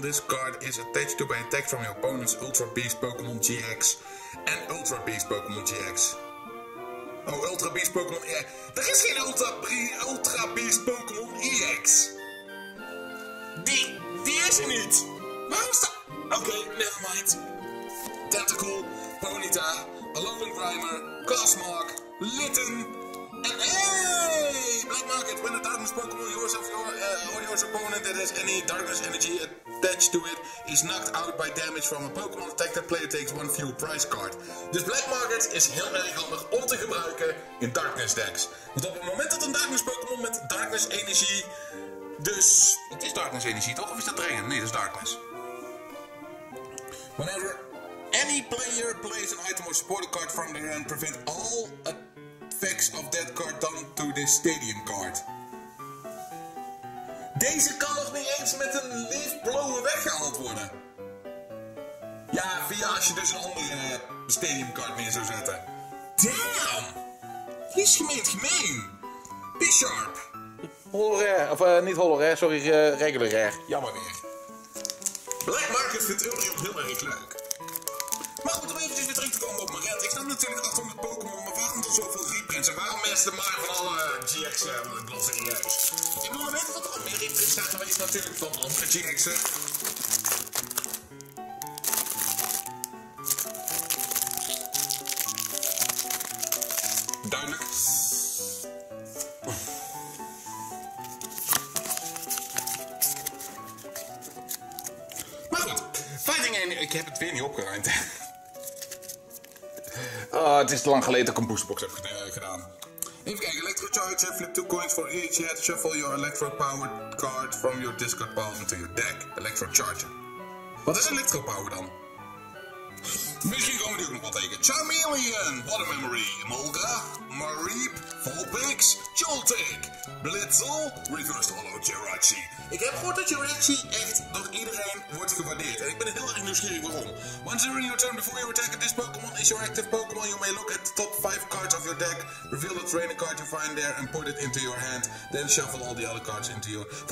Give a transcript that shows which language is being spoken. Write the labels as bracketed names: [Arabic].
[English] This card is attached to by attack from your opponent's Ultra Beast Pokémon GX. [Dutch] En Ultra Beast Pokémon GX. Oh, Ultra Beast Pokémon EX. Er is geen Ultra Beast Pokémon EX. Die is er niet. Waarom is dat? Oké, nevermind. Tentacool, Ponyta, Alolan Grimer, Cosmog, Litten. En hey! [English] Black Market, when a Darkness Pokémon yours of your opponent that has any Darkness Energy attached to it is knocked out by damage from a Pokémon attack that player takes one fuel prize card. [Dutch] Dus Black Market is heel erg handig om te gebruiken in Darkness decks. Want op het moment dat een Darkness Pokémon met Darkness Energy. Dus. Het is Darkness Energy toch? Of is dat Drain? Nee, dat is Darkness. [English] Whenever any player plays an item or supporter card from their hand, prevent all effects of that card done to this stadium card. [Dutch] Deze kan nog niet eens met een leaf blower weggehaald worden. Ja, via als je dus een andere stadium card neer zou zetten. Damn! Die is gemeen. Bisharp. Regular rare. Jammer weer. Black Market vindt Umbreon heel erg leuk. Maar goed, om eventjes weer terug te komen op mijn rent. Ik sta natuurlijk 800 Pokémon, maar waarom toch zoveel reprints? En waarom mensen maar van alle GX-blossingen juist? Ik bedoel, we weten dat er al meer reprints zijn geweest natuurlijk van andere GX'en. Duidelijk. Maar goed, Fighting 1, ik heb het weer niet opgeruimd. Het is te lang geleden dat ik een boosterbox heb gedaan. [English] Even kijken, Electrocharge, flip 2 coins for each head, shuffle your electro-powered card from your discard pile into your deck. [Dutch] Electrocharge. Wat is electro-power dan? Misschien komen die ook nog wat tegen. Charmeleon, [English] what a memory. [Dutch] Molga, Mareep, Vulpix, Joltik, Blitzel, reversed holo, Jirachi. Ik heb gehoord dat Jirachi echt door iedereen wordt gewaardeerd. En ik ben heel erg nieuwsgierig waarom. [English] Once during your turn before you attack at this Pokémon is your active Pokémon, you may look at the top 5 cards of your deck, reveal the trainer card you find there and put it into your hand, then shuffle all the other cards into your...